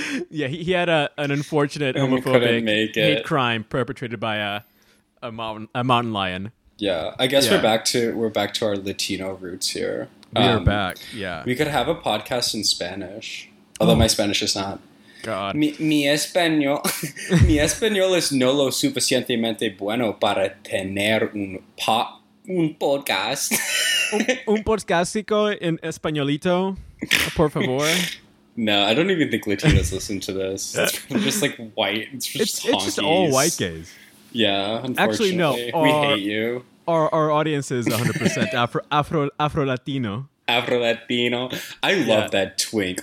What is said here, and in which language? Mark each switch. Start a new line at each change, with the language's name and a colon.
English: Yeah, he had an unfortunate homophobic hate crime perpetrated by a mountain lion. Yeah, I guess we're back to our Latino roots here. We're back. Yeah, we could have a podcast in Spanish, although my Spanish is not. God,
Spanish: mi español es no lo suficientemente bueno para tener un podcast. un podcastico en españolito, por favor.
English: No, I don't even think Latinos listen to this. It's just like white. It's just all white gays. Yeah, unfortunately. Actually, no. Hate you. Our audience is 100% Afro-Latino. Afro-Latino. I love that twink.